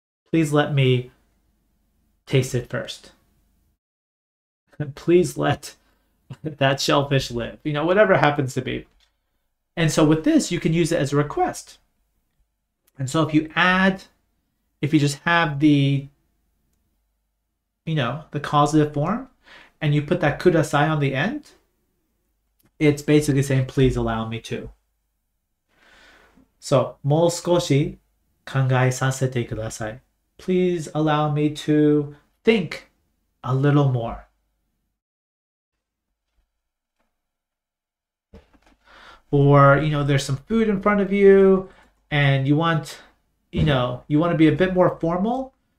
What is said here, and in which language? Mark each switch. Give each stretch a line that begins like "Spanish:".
English: Please let me taste it first. Please let that shellfish live, whatever it happens to be. And so with this, you can use it as a request. And so if you just have the causative form and you put that kudasai on the end, It's basically saying, please allow me to. So,
Japanese: もう少し考えさせてください。
English: Please allow me to think a little more. Or, you know, there's some food in front of you and you want, you know, you want to be a bit more formal.